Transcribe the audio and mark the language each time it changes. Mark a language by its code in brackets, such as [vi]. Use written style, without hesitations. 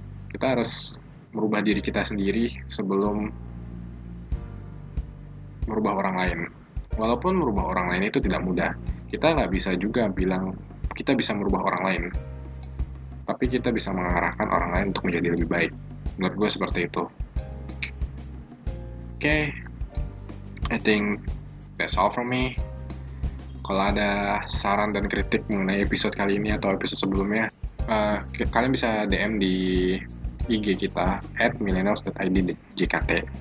[id] Kita harus merubah diri kita sendiri sebelum merubah orang lain. Walaupun merubah orang lain itu tidak mudah, kita nggak bisa juga bilang kita bisa merubah orang lain, tapi kita bisa mengarahkan orang lain untuk menjadi lebih baik. Menurut gue seperti itu. [en] Oke, okay. I think that's all from me. [id] Kalau ada saran dan kritik mengenai episode kali ini atau episode sebelumnya, kalian bisa DM di IG kita @millennials.id.jkt.